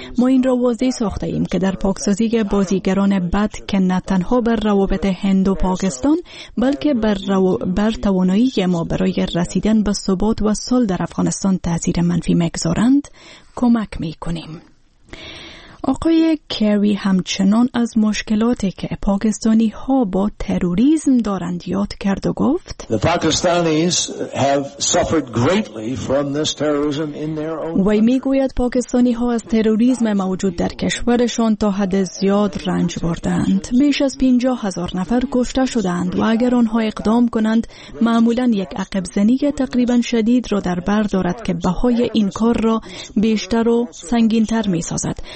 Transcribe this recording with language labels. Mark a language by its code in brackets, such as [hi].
[fa] ما این را واضح ساخته ایم که در پاکسازی بازیگران بد که نه تنها بر روابط هند و پاکستان بلکه بر توانایی ما برای رسیدن به ثبات و صلح در افغانستان تأثیر منفی می‌گذارند، کمک می کنیم. آقای کری همچنان از مشکلاتی که پاکستانی ها با تروریسم دارند یاد کرد و گفت: [en] The Pakistanis have suffered greatly from this terrorism in their own country. [fa] وی می گوید پاکستانی ها از تروریسم موجود در کشورشان تا حد زیاد رنج بردند. بیش از 50,000 نفر کشته شدند و اگر آنها اقدام کنند، معمولا یک عقب زنی تقریبا شدید را در بر دارد که بهای این کار را بیشتر و سنگین تر می سازد.